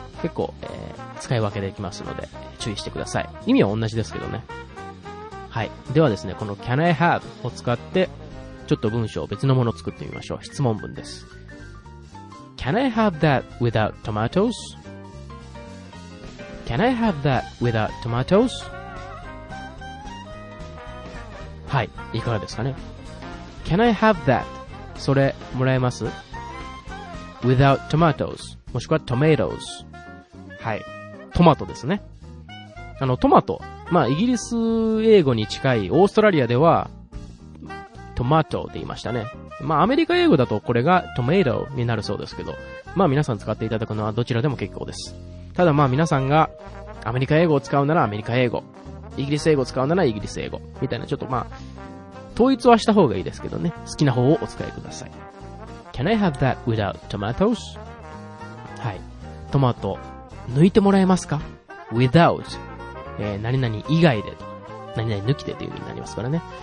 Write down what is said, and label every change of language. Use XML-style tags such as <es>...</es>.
<ja>結構、使い分けできますので注意してください。意味は同じですけどね。はい、ではですね、この Can I have? を使ってちょっと文章を別のものを作ってみましょう。質問文です。</ja> <en>Can I have that without tomatoes? Can I have that without tomatoes?</en> <ja>はい、いかがですかね。</ja> <en>Can I have that?</en> <ja>それもらえます?</ja> <en>Without tomatoes</en> <ja>もしくは tomatoes。はい、トマトですね。トマト、まあイギリス英語に近いオーストラリアではトマトって言いましたね。まあアメリカ英語だとこれがトメイドになるそうですけど、まあ皆さん使っていただくのはどちらでも結構です。ただまあ皆さんがアメリカ英語を使うならアメリカ英語、イギリス英語を使うならイギリス英語みたいな、ちょっとまあ統一はした方がいいですけどね。好きな方をお使いください。</ja> <en>Can I have that without tomatoes?</en> <ja>はい、トマト抜いてもらえますか。without、何々以外でと、何々抜きでという意味になりますからね。</ja>